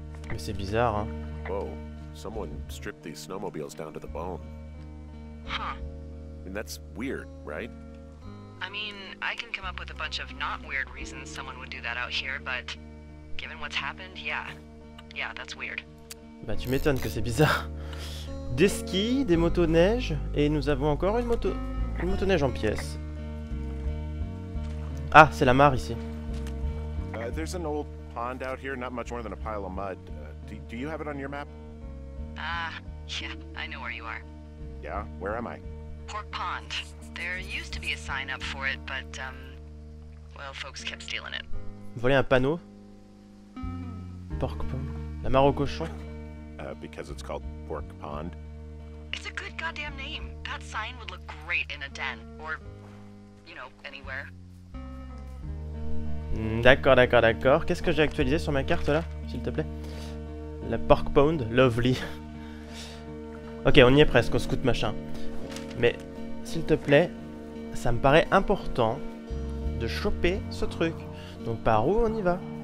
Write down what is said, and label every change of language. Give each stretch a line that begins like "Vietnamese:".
French: Mais c'est bizarre, hein.
English: Whoa, someone stripped these snowmobiles down to the bone. Huh. I mean, that's weird, right? I mean, I can come up with a bunch of not weird reasons someone would do that out here, but given what's happened, yeah. Yeah, that's weird.
French: Bah, tu m'étonnes que c'est bizarre. Des skis, des motos neige, et nous avons encore une moto neige en pièces. Ah, c'est la mare ici.
English: There's an old pond out here, not much more than a pile of mud. Do you have it on your map? Yeah, I know where you are. Yeah, where am I? Pork Pond. There used to be a sign up for it, but well, folks kept stealing it.
French: Voler un panneau. Pork Pond. La mare aux cochons.
English: Because it's called Pork Pond. It's a good goddamn name. That sign would look great in a den, or, you know, anywhere.
French: D'accord. Qu'est-ce que j'ai actualisé sur ma carte là, s'il te plaît? La Pork Pond, lovely. Ok, on y est presque, au scout machin. Mais, s'il te plaît, ça me paraît important de choper ce truc. Donc par où on y va?